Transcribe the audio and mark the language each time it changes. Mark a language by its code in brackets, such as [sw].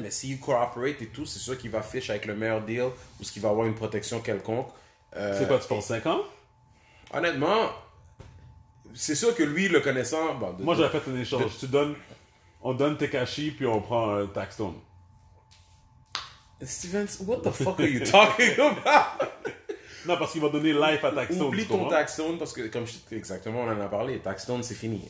[fr] Mais s'il cooperate et tout, c'est sûr qu'il va fiche avec le meilleur deal ou ce qu'il va avoir une protection quelconque. C'est quoi, tu penses 5 ans? Honnêtement, c'est sûr que lui, le connaissant. Bon, moi, j'aurais fait un échange. On donne Tekashi, puis on prend un Taxton. [en] Stevens, what the fuck are you talking about? [fr] Non, parce qu'il va donner life à Taxton. Oublie ton Taxton, parce que comme je, exactement, on en a parlé, Taxton, c'est fini.